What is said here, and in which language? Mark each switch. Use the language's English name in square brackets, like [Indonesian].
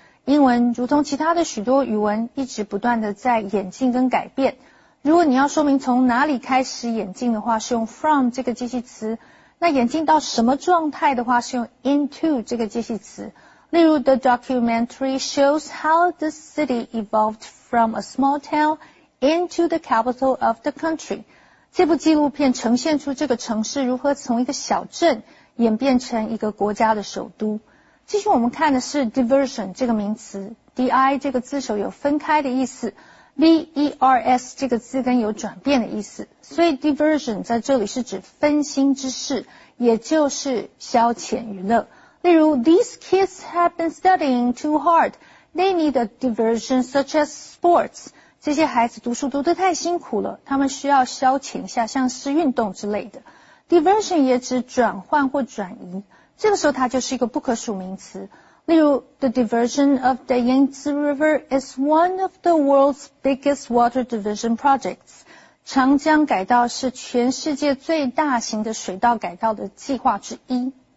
[Chinese] 英文如同其他的许多语文一直不断的在演进跟改变。如果你要说明从哪里开始演进的话是用 from 这个机器词。那眼镜到什么状态的话是用 into 这个介系词。例如 [English] ,the documentary shows how the city evolved from a small town into the capital of the country. [Chinese] 这部纪录片呈现出这个城市如何从一个小镇演变成一个国家的首都。继续我们看的是 diversion 这个名词。di 这个字首有分开的意思。 VERS 这个字根有转变的意思，所以 diversion 在这里是指分心之事，也就是消遣娱乐。例如 [English] ,these kids have been studying too hard. They need a diversion such as sports. [Chinese] 这些孩子读书读得太辛苦了，他们需要消遣一下，像是运动之类的。 diversion 也指转换或转移，这个时候它就是一个不可数名词。例如 [English] ,the diversion of the Yangtze River is one of the world's biggest water diversion projects. [Chinese] 长江改道是全世界最大型的水道改道的计划之一。